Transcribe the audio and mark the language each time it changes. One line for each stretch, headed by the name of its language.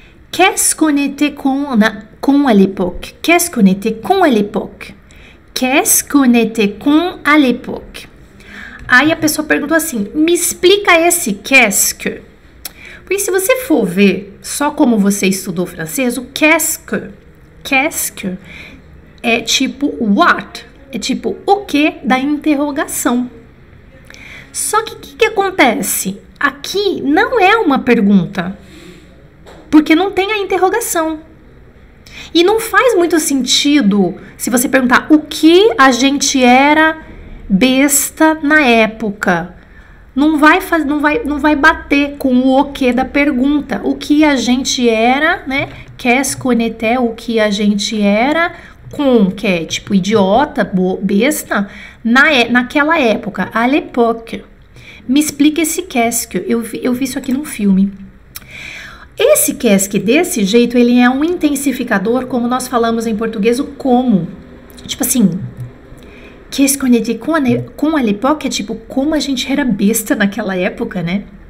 French: Qu'est-ce qu'on était con à l'époque? Qu'est-ce qu'on était con à l'époque? Qu'est-ce qu'on était con à l'époque?
Portuguese: Aí a pessoa perguntou assim: me explica esse qu'est-ce que? Porque se você for ver só como você estudou francês, o qu'est-ce que é tipo what? É tipo o que da interrogação. Só que o que que acontece? Aqui não é uma pergunta, porque não tem a interrogação. E não faz muito sentido se você perguntar o que a gente era besta na época. Não vai bater com o quê da pergunta. O que a gente era, né?
French: Qu'est-ce qu'on était,
Portuguese: o que a gente era, com, que é tipo idiota, besta, naquela época,
French: à l'époque.
Portuguese: Me explica esse qu'est-ce que. Eu vi isso aqui num filme. Esse qu'est-ce que, desse jeito, ele é um intensificador, como nós falamos em português, o como. Tipo assim.
French: Qu'est-ce qu'on était con à l'époque
Portuguese: é tipo como a gente era besta naquela época, né?